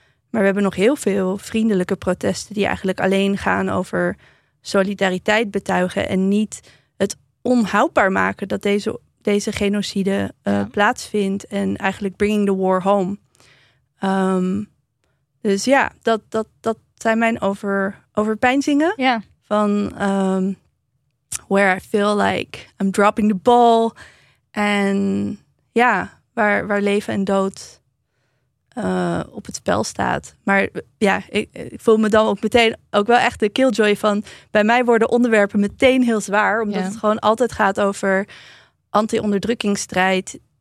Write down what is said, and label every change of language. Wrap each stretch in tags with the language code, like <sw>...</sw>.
<nl>Maar we hebben nog heel veel vriendelijke protesten die eigenlijk alleen gaan over solidariteit betuigen en niet het onhoudbaar maken dat deze genocide plaatsvindt en eigenlijk</nl> <en>bringing the war home.</en> <nl>Dus ja, dat zijn mijn overpeinzingen. Ja.</nl> <en>Van where I feel like I'm dropping the ball.</en> <nl>En ja, waar leven en dood op het spel staat. Maar ja, ik voel me dan ook meteen ook wel echt de killjoy van, bij mij worden onderwerpen meteen heel zwaar. Omdat het gewoon altijd gaat over anti-onderdrukkingsstrijd.</nl>